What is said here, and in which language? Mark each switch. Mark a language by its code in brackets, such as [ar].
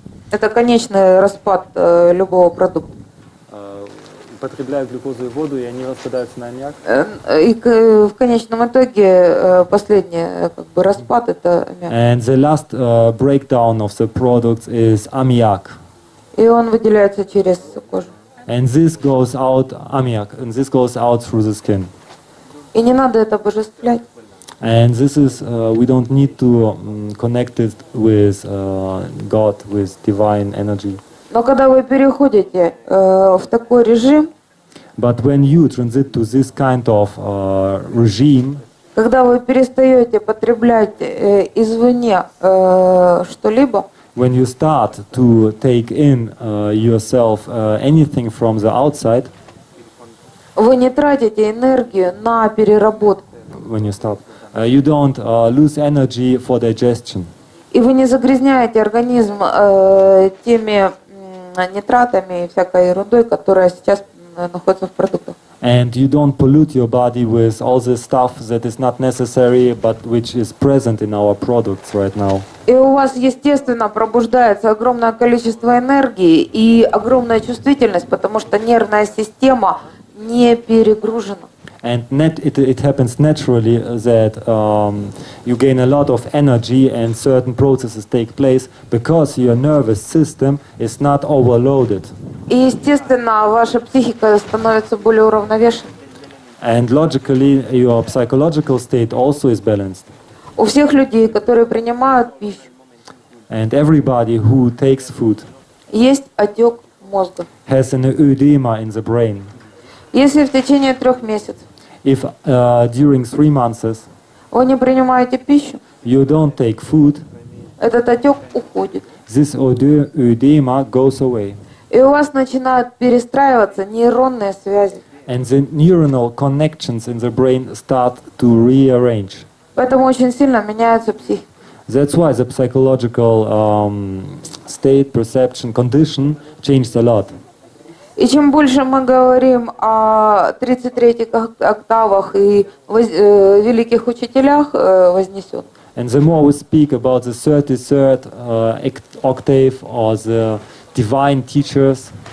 [ru] Это конечный распад любого продукта. Употребляют глюкозу и воду, и они распадаются на аммиак. И в конечном итоге последний как бы распад это аммиак. [en] And the last breakdown of the product is ammiak. [ru] И он выделяется через кожу. [en] And this goes out ammiak, and this goes out through the skin. [ru] И не надо это божествлять. [en] And this is, we don't need to connect it with God, with divine energy. [ru] Но когда вы переходите в такой режим, [en] but when you transit to this kind of regime, [ru] когда вы перестаете потреблять извне что-либо, [en] when you start to take in yourself anything from the outside, [ru] вы не тратите энергию на переработку. [en] When you stop. You don't lose energy for digestion. [ru] И вы не загрязняете организм теми нитратами и всякой ерундой, которая сейчас находится в продуктах. [en] And you don't pollute your body with all the stuff that is not necessary, but which is present in our products right now. [ru] И у вас естественно пробуждается огромное количество энергии и огромная чувствительность, потому что нервная система не перегружена. [en] And it happens naturally that you gain a lot of energy and certain processes take place because your nervous system is not overloaded. [ru] И естественно, ваша психика становится более уравновешенной. [en] And logically, your psychological state also is balanced. [ru] У всех людей, которые принимают пищу, [en] and everybody who takes food, [ru] есть отек мозга, [en] has an edema in the brain. [ru] Если в течение 3 месяцев [en] if during 3 months [ru] вы не принимаете пищу, [en] you don't take food, [ru] этот отек уходит. [en] This edema goes away. [ru] И у вас начинают перестраиваться нейронные связи. [en] And the neuronal connections in the brain start to rearrange. [ru] Поэтому очень сильно меняется психика. [en] That's why the psychological state, perception, condition changed a lot. [ru] И чем больше мы говорим о 33-х октавах и великих учителях вознесён. [en] And the more we speak about the 33rd octave or the divine teachers,